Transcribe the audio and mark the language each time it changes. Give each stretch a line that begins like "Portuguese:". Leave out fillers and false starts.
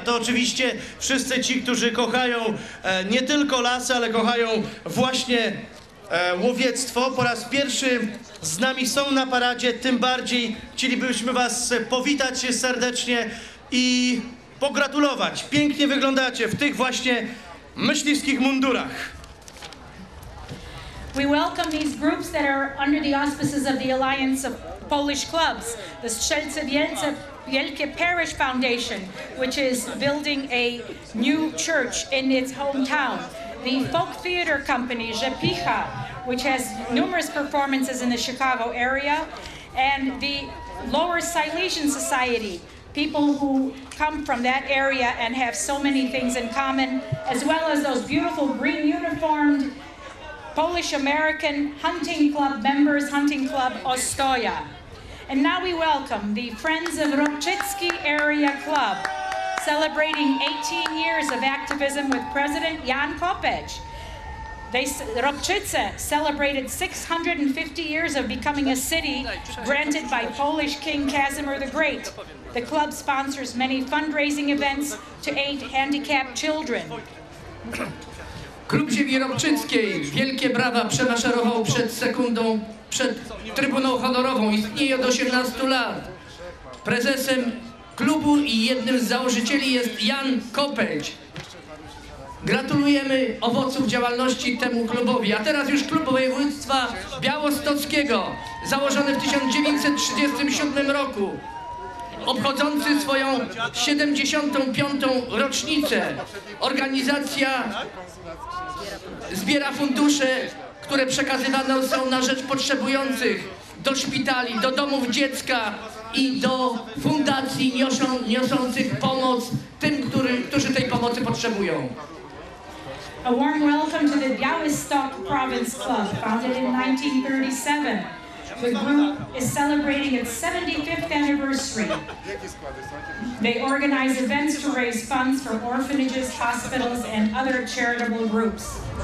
Polish: To oczywiście wszyscy ci, którzy kochają nie tylko lasy, ale kochają właśnie łowiectwo. Po raz pierwszy z nami są na paradzie, tym bardziej chcielibyśmy was powitać serdecznie i pogratulować. Pięknie wyglądacie w tych właśnie myśliwskich mundurach.
English: We welcome these groups that are under the auspices of the Alliance of Polish Clubs, the Strzelce Wielkie Parish Foundation, which is building a new church in its hometown. The folk theater company, Rzepicha, which has numerous performances in the Chicago area. And the Lower Silesian Society, people who come from that area and have so many things in common, as well as those beautiful green-uniformed Polish-American Hunting Club members, Hunting Club Ostoja. And now we welcome the Friends of Rokczycki Area Club, celebrating 18 years of activism with President Jan Kopecz. Rokczyce celebrated 650 years of becoming a city granted by Polish King Casimir the Great. The club sponsors many fundraising events to aid handicapped children.
Polish: Klub Ziemi Rokczyckiej, wielkie brawa, przemaszerował przed sekundą, przed Trybuną Honorową. Istnieje od 18 lat. Prezesem klubu i jednym z założycieli jest Jan Kopecz. Gratulujemy owoców działalności temu klubowi. A teraz już klub województwa białostockiego, założony w 1937 roku, obchodzący swoją 75. rocznicę. Organizacja zbiera fundusze, które przekazywane są na rzecz potrzebujących, do szpitali, do domów dziecka i do fundacji niosących pomoc tym, którzy tej pomocy potrzebują.
English: A warm welcome to the Białystok Province Club, founded in 1937. The group is celebrating its 75th anniversary. They organize events to raise funds for orphanages, hospitals, and other charitable groups.